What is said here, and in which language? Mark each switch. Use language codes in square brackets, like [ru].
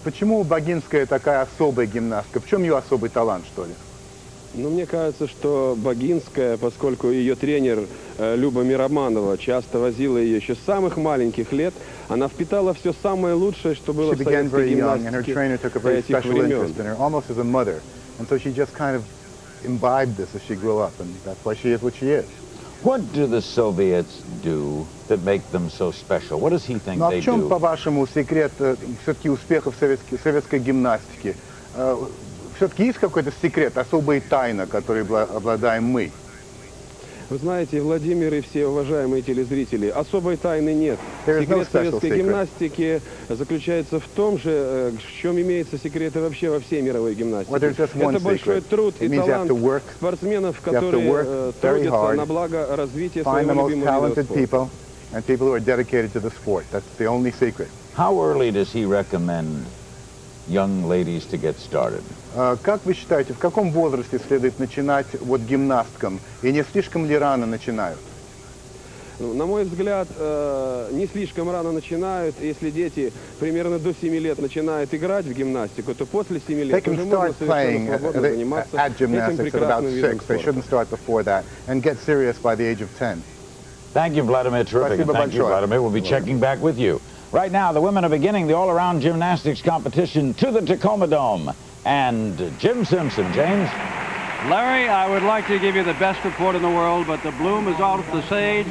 [ru] Почему Богинская такая особая гимнастка? В чем ее особый талант, что ли? Ну, мне кажется, что Богинская, поскольку ее тренер Люба Мироманова часто возила ее еще с самых маленьких лет, она впитала все самое лучшее, что было в советской гимнастике этих времен. [en] Almost as a mother. And so she just kind of imbibed this as she grew up, and that's why she is what she is. What do the Soviets do that make them so special? What does he think they do? [ru] Ну, а в чем, по-вашему, секрет все-таки успехов советской гимнастики? Все-таки есть какой-то секрет, особая тайна, которой обладаем мы? Вы знаете, Владимир и все уважаемые телезрители, особой тайны нет. Секрет советской гимнастики заключается в том же, в чем имеются секреты вообще во всей мировой гимнастике. Это большой труд и талант спортсменов, которые трудятся на благо развития своего любимого спорта. [en] And people who are dedicated to the sport. That's the only secret. How early does he recommend young ladies to get started? [ru] Как вы считаете, в каком возрасте следует начинать вот гимнасткам? И не слишком ли рано начинают? Ну, на мой взгляд, не слишком рано начинают. Если дети примерно до 7 лет начинают играть в гимнастику, то после 7 лет уже можно совершенно свободно заниматься этим прекрасным видом спорта. [en] They shouldn't start before that and get serious by the age of 10. Thank you, Vladimir. Terrific. Thank you, Vladimir. We'll be checking back with you. Right now, the women are beginning the all-around gymnastics competition to the Tacoma Dome. And Jim Simpson, James. Larry, I would like to give you the best report in the world, but the bloom is off the sage.